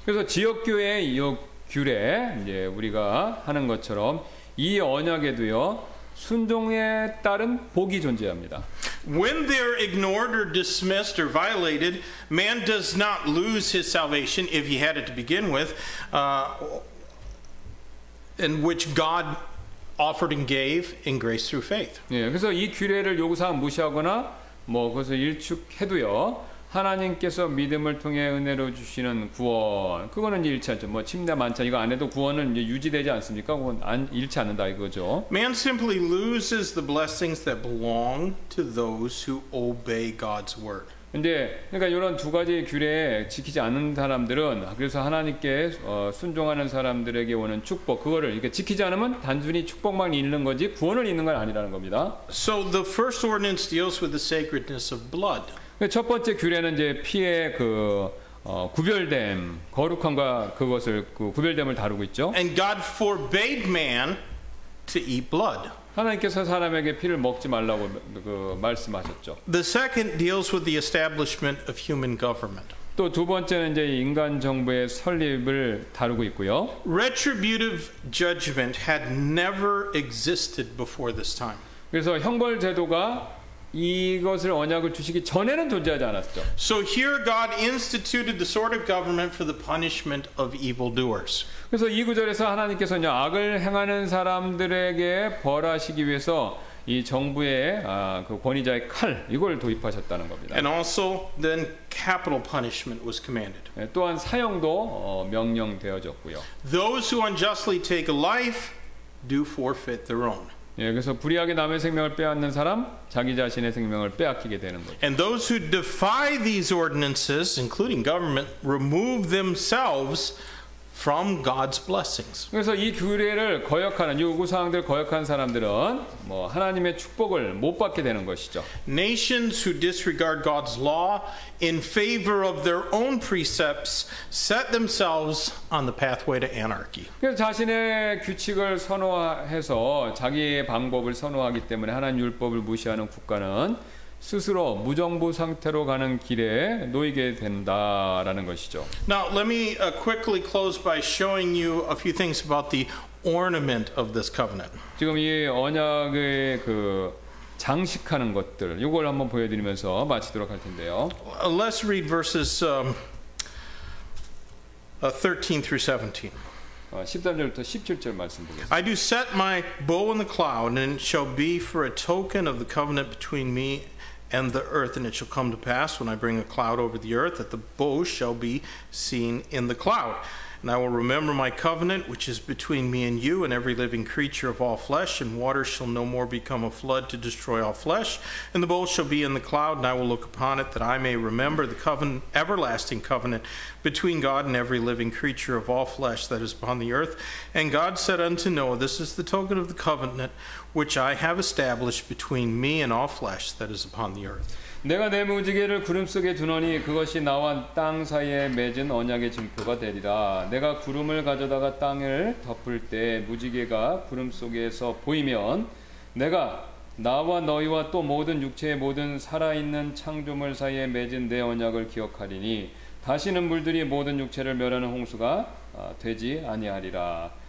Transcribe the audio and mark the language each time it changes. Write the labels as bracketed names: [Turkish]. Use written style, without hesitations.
[Korean] 그래서 지역교회 이 규례 이제 우리가 하는 것처럼 이 언약에도요 순종에 따른 복이 존재합니다. [English] When they're ignored or dismissed or violated, man does not lose his salvation if he had it to begin with, in which God offered and gave in grace through faith. [Korean] 예, 그래서 이 규례를 요구사항 무시하거나 뭐 그것을 일축해도요 하나님께서 믿음을 통해 은혜로 주시는 구원 그거는 일치 않죠. 뭐 침례 만찬 이거 안 해도 구원은 이제 유지되지 않습니까? 그건 일치 않는다 이거죠. [English] Man simply loses the blessings that belong to those who obey God's word. [Korean] 근데 그러니까 이런 두 가지 규례 지키지 않는 사람들은 그래서 하나님께 순종하는 사람들에게 오는 축복 그거를 이렇게 지키지 않으면 단순히 축복만 잃는 거지 구원을 잃는 건 아니라는 겁니다. [English] So the first ordinance deals with the sacredness of blood. [Korean] 첫 번째 규례는 이제 피의 그 구별됨 거룩함과 그것을 그 구별됨을 다루고 있죠. [English] And God forbade man to eat blood. [Korean] 하나님께서 사람에게 피를 먹지 말라고 그 말씀하셨죠. [English] The second deals with the establishment of human government. [Korean] 또 두 번째는 이제 인간 정부의 설립을 다루고 있고요. [English] Retributive judgment had never existed before this time. [Korean] 그래서 형벌 제도가 이것을 언약을 주시기 전에는 존재하지 않았죠. [English] So here God instituted the sort of government for the punishment of evildoers. [Korean] 그래서 이 구절에서 하나님께서 이제 악을 행하는 사람들에게 벌하시기 위해서 이 정부의 그 권위자의 칼 이걸 도입하셨다는 겁니다. [English] And also then capital punishment was commanded. [Korean] 또한 사형도 명령되어졌고요. [English] Those who unjustly take a life do forfeit their own. [Korean] 예, 그래서 불의하게 남의 생명을 빼앗는 사람 자기 자신의 생명을 빼앗기게 되는 거죠. [English] And those who defy these ordinances, including government, remove themselves from God's blessings. [Korean] 그래서 이 규례를 거역하는 요구사항들 거역한 사람들은 뭐 하나님의 축복을 못 받게 되는 것이죠. [English] Nations who disregard God's law in favor of their own precepts set themselves on the pathway to anarchy. [Korean] 그래서 자신의 규칙을 선호해서 자기의 방법을 선호하기 때문에 하나님 율법을 무시하는 국가는 스스로 무정부 상태로 가는 길에 놓이게 된다라는 것이죠. [English] Now let me quickly close by showing you a few things about the ornament of this covenant. [Korean] 지금 이 언약의 그 장식하는 것들 이걸 한번 보여드리면서 마치도록 할 텐데요. [English] Let's read verses 13 through 17. [Korean] 13절부터 17절 말씀 보겠습니다. [English] I do set my bow in the cloud and it shall be for a token of the covenant between me and the earth, and it shall come to pass when I bring a cloud over the earth that the bow shall be seen in the cloud. And I will remember my covenant, which is between me and you and every living creature of all flesh, and water shall no more become a flood to destroy all flesh. And the bow shall be in the cloud, and I will look upon it that I may remember the covenant, everlasting covenant between God and every living creature of all flesh that is upon the earth. And God said unto Noah, this is the token of the covenant which I have established between me and all flesh that is upon the earth. [Korean] 내가 내 무지개를 구름 속에 두노니 그것이 나와 땅 사이에 맺은 언약의 증표가 되리라. 내가 구름을 가져다가 땅을 덮을 때 무지개가 구름 속에서 보이면 내가 나와 너희와 또 모든 육체의 모든 살아있는 창조물 사이에 맺은 내 언약을 기억하리니 다시는 물들이 모든 육체를 멸하는 홍수가 되지 아니하리라.